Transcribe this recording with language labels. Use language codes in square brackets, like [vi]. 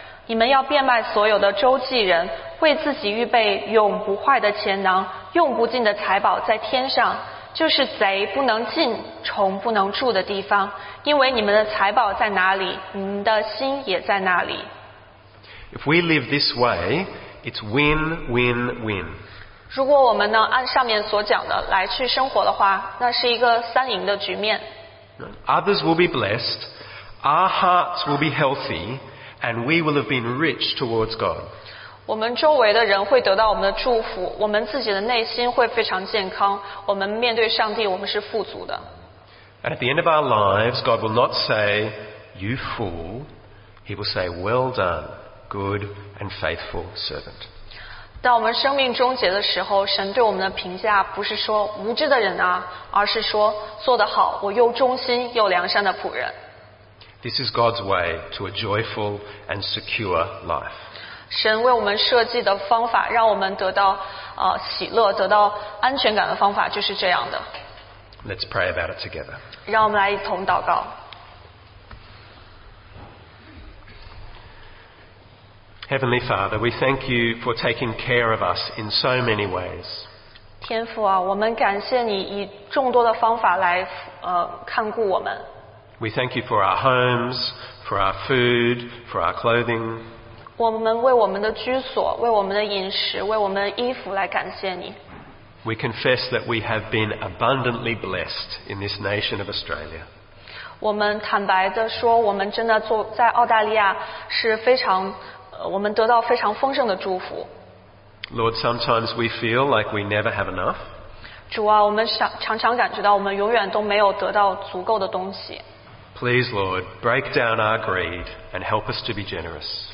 [zh] 你们要变卖所有的周济人，为自己预备永不坏的钱囊，用不尽的财宝在天上，就是贼不能进、虫不能住的地方。因为你们的财宝在哪里，你们的心也在哪里。 [en] If we live this way, it's win, win, win. [zh] 如果我们呢按上面所讲的来去生活的话，那是一个三赢的局面。 [en] Others will be blessed, our hearts will be healthy, and we will have been rich towards God. [zh] 我们周围的人会得到我们的祝福，我们自己的内心会非常健康，我们面对上帝，我们是富足的。 [en] And at the end of our lives, God will not say, "You fool." He will say, "Well done, good and faithful servant." [zh] 当我们生命终结的时候，神对我们的评价不是说无知的人啊，而是说做得好，我又忠心又良善的仆人。 [en] This is God's way to a joyful and secure life. [zh] 神为我们设计的方法，让我们得到喜乐，得到安全感的方法就是这样的。 [en] Let's pray about it together. [zh] 让我们来一同祷告。 [en] Heavenly Father, we thank you for taking care of us in so many ways. [zh] 天父啊，我们感谢你以众多的方法来看顾我们。 [en] We thank you for our homes, for our food, for our clothing. [zh] 我们为我们的居所，为我们的饮食，为我们的衣服来感谢你。 [en] We confess that we have been abundantly blessed in this nation of Australia. [zh] 我们坦白地说，我们真的在澳大利亚是非常我们得到非常丰盛的祝福。 [en] Lord, sometimes we feel like we never have enough. [zh] 主啊，我们常常感觉到我们永远都没有得到足够的东西。 [en] Please, Lord, break down our greed and help us to be generous.